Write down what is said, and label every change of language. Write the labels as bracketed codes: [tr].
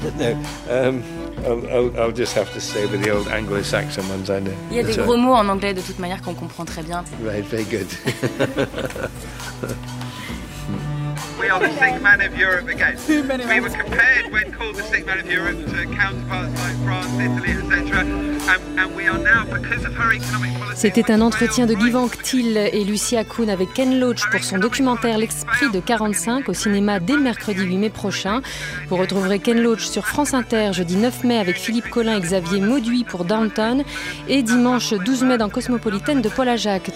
[en] I'll just have to stay with the old Anglo-Saxon ones, I know. [fr] Il y a des gros mots en anglais de toute manière qu'on comprend très bien. [en] Right, very good. We are the sick man of Europe again. We were compared when called the sick man of Europe to counterparts like France, Italy, etc. And we are now, because of her economic policy. [fr] C'était un entretien de Guy Vanck Thil et Lucia Kuhn avec Ken Loach pour son documentaire L'Esprit de 45 au cinéma dès mercredi 8 mai prochain. Vous retrouverez Ken Loach sur France Inter jeudi 9 mai avec Philippe Collin et Xavier Mauduit pour Downton et dimanche 12 mai dans Cosmopolitaine de Paul Ajac.